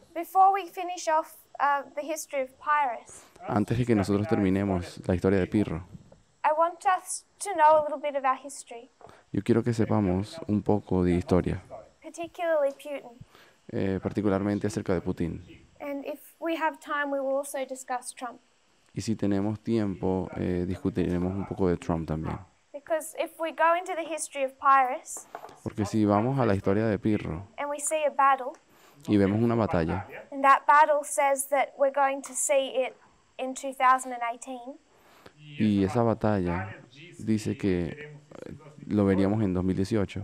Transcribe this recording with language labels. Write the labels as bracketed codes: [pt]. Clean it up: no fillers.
[en] before we finish off the history of Pyrrhus, [es] antes de que nosotros terminemos la historia de Pirro, [en] I want us to know a little bit of our history. [es] Yo quiero que sepamos un poco de historia, [en] particularly Putin. [es] Particularmente acerca de Putin. [en] And if we have time, we will also discuss Trump. [es] Y si tenemos tiempo, discutiremos un poco de Trump también. [en] Because if we go into the history of Pyrrhus, [es] porque si vamos a la historia de Pirro, [en] and we see a battle, [es] y vemos una batalla, [en] and that battle says that we're going to see it in 2018. [es] Y esa batalla dice que lo veríamos en 2018.